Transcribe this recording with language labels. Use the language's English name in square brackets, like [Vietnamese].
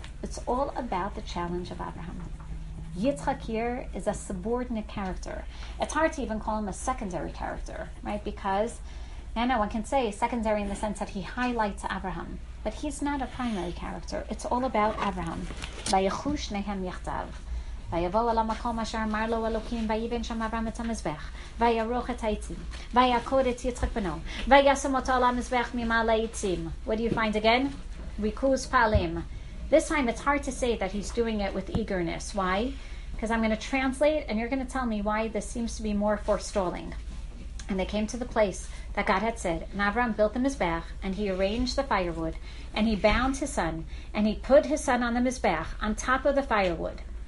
[English] It's all about the challenge of Avraham. Yitzchak here is a subordinate character. It's hard to even call him a secondary character, right? Because, no one can say secondary in the sense that he highlights Avraham. But he's not a primary character. It's all about Avraham. [Hebrew] Vayechu shnehem yechtav. ויבוא על המקום אשר אמר לו אלוקים ויבן שם אברהם את המזבח וירוך את העצים ויעקוד את יצחק בנו וישם אותו על המזבח ממעלה העצים. [English] What do you find again? [Hebrew] Rikuz palim. [English] This time it's hard to say that he's doing it with eagerness. Why? Because I'm going to translate and you're going to tell me why this seems to be more forestalling. And they came to the place that God had said, and Avram built the Mizbech, and he arranged the firewood, and he bound his son, and he put his son on the Mizbech, on top of the firewood.